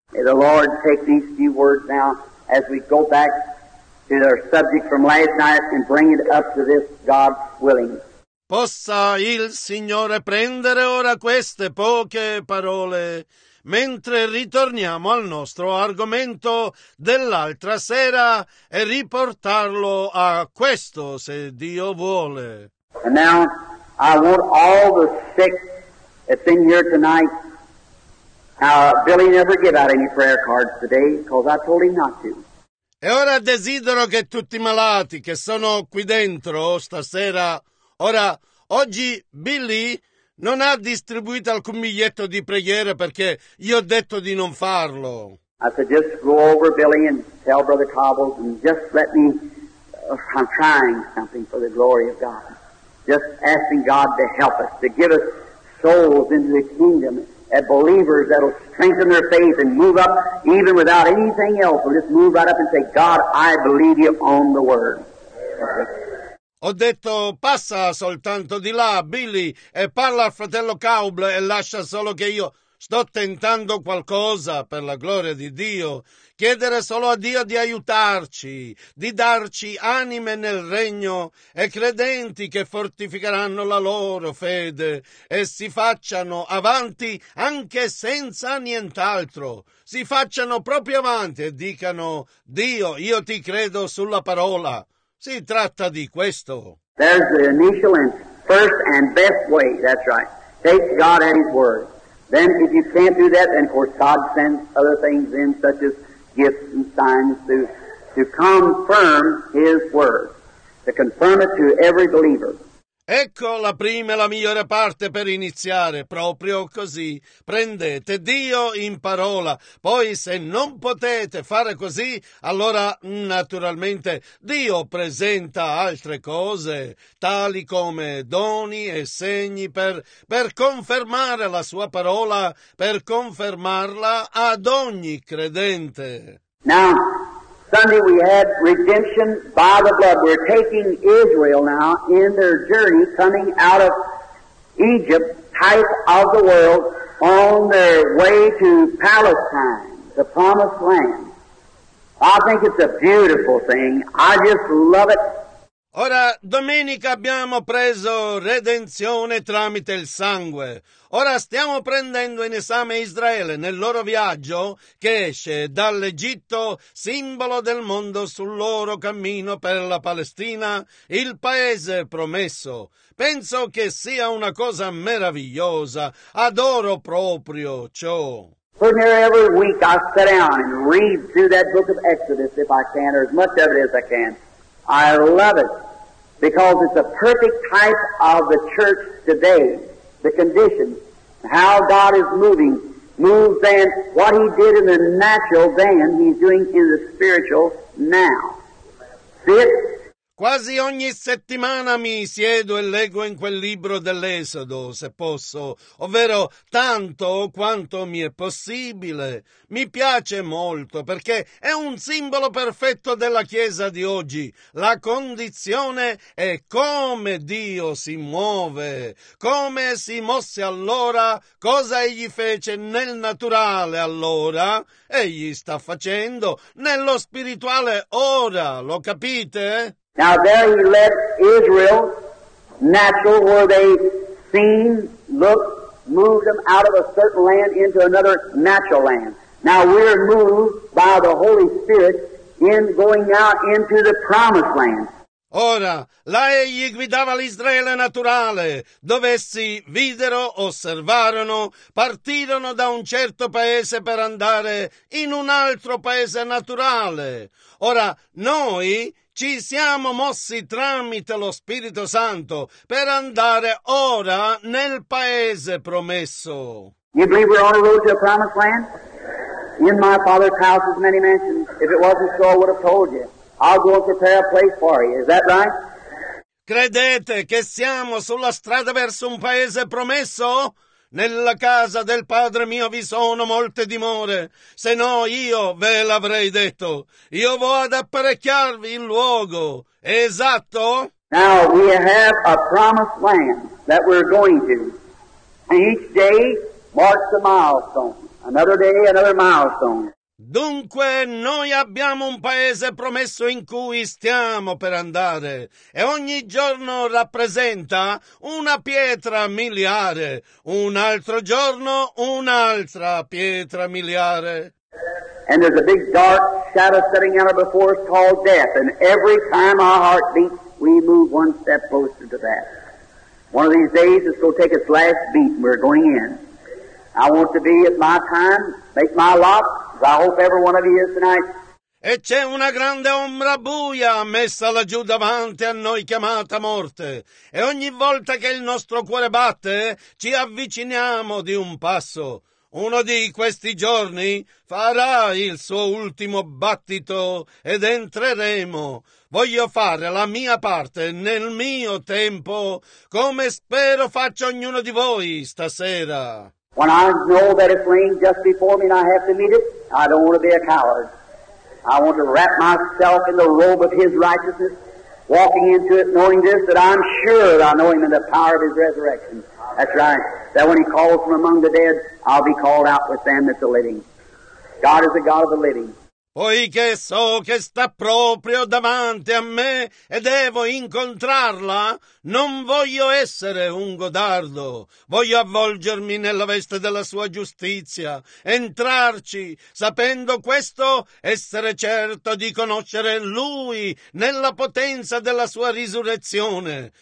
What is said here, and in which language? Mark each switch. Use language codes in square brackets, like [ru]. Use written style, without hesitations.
[en] May the Lord take these few words now as we go back to our subject from last night and bring it up to this God willing. [it] Possa il Signore prendere ora queste poche parole mentre ritorniamo al nostro argomento dell'altra sera e riportarlo a questo, se Dio vuole. [en] And now I want all the sick that's in here tonight. Billy never gave out any prayer cards today because I told him not to. [it] E ora desidero che tutti i malati che sono qui dentro stasera, ora... Oggi Billy non ha distribuito alcun biglietto di preghiera perché io ho detto di non farlo. [en] I said, just go over Billy and tell Brother Cobbles and just let me, I'm trying something for the glory of God. Just asking God to help us, to give us souls into the kingdom and believers that will strengthen their faith and move up even without anything else. We'll just move right up and say, God, I believe you on the word. [it] Ho detto, passa soltanto di là, Billy, e parla al fratello Cowble e lascia solo che io sto tentando qualcosa per la gloria di Dio. Chiedere solo a Dio di aiutarci, di darci anime nel regno e credenti che fortificheranno la loro fede e si facciano avanti anche senza nient'altro. Si facciano proprio avanti e dicano, Dio, io ti credo sulla parola. Si tratta di questo. [en] There's the initial and first and best way, that's right. Take God at His word. Then if you can't do that, then of course God sends other things in, such as gifts and signs to confirm His word, to confirm it to every believer. [it] Ecco la prima e la migliore parte per iniziare, proprio così. Prendete Dio in parola, poi se non potete fare così, allora naturalmente Dio presenta altre cose, tali come doni e segni per confermare la sua parola, per confermarla ad ogni credente. [en] Now, Sunday we had redemption by the blood. We're taking Israel now in their journey coming out of Egypt, type of the world, on their way to Palestine, the promised land. I think it's a beautiful thing. I just love it. [it] Ora, domenica abbiamo preso redenzione tramite il sangue. Ora stiamo prendendo in esame Israele nel loro viaggio che esce dall'Egitto, simbolo del mondo sul loro cammino per la Palestina, il paese promesso. Penso che sia una cosa meravigliosa. Adoro proprio ciò. [en] Pretty near every week I sit down and read through that book of Exodus if I can, or as much of it as I can. I love it because it's a perfect type of the church today, the condition, how God is moving, moves then, what He did in the natural then, He's doing in the spiritual now. See it? [it] Quasi ogni settimana mi siedo e leggo in quel libro dell'Esodo, se posso, ovvero tanto quanto mi è possibile. Mi piace molto perché è un simbolo perfetto della Chiesa di oggi. La condizione è come Dio si muove, come si mosse allora, cosa egli fece nel naturale allora, egli sta facendo nello spirituale ora, lo capite? [en] Now there he led Israel, natural, where they seen, looked, moved them out of a certain land into another natural land. Now we're moved by the Holy Spirit in going out into the promised land. [it] Ora, là egli guidava l'Israele naturale, dove essi videro, osservarono, partirono da un certo paese per andare in un altro paese naturale. Ora, noi ci siamo mossi tramite lo Spirito Santo per andare ora nel paese promesso. [en] You believe we're on the road to a promised land? In my Father's house is many mansions. If it wasn't so, I would have told you. I'll go and prepare a place for you. Is that right? [it] Credete che siamo sulla strada verso un paese promesso? Nella casa del Padre mio vi sono molte dimore, se no io ve l'avrei detto. Io vo ad apparecchiarvi il luogo. Esatto? [en] Now we have a promised land that we're going to. Each day marks a milestone. Another day, another milestone. [it] Dunque, noi abbiamo un paese promesso in cui stiamo per andare e ogni giorno rappresenta una pietra miliare, un altro giorno un'altra pietra miliare. [en] And there's a big dark shadow setting out before us called death, and every time our heart beats, we move one step closer to that. One of these days, it's going to take its last beat, and we're going in. I want to be at my time, make my lot. I hope every one of you is tonight. [it] E c'è una grande ombra buia messa laggiù davanti a noi chiamata morte. E ogni volta che il nostro cuore batte, ci avviciniamo di un passo. Uno di questi giorni farà il suo ultimo battito ed entreremo. Voglio fare la mia parte nel mio tempo, come spero faccia ognuno di voi stasera. [en] When I know that it's laying just before me and I have to meet it, I don't want to be a coward. I want to wrap myself in the robe of His righteousness, walking into it knowing this, that I'm sure that I know Him in the power of His resurrection. That's right. That when He calls from among the dead, I'll be called out with them that's the living. God is the God of the living. [it] Poiché so che sta proprio davanti a me e devo incontrarla, non voglio essere un godardo. Voglio avvolgermi nella veste della sua giustizia, entrarci, sapendo questo, essere certo di conoscere Lui nella potenza della sua risurrezione.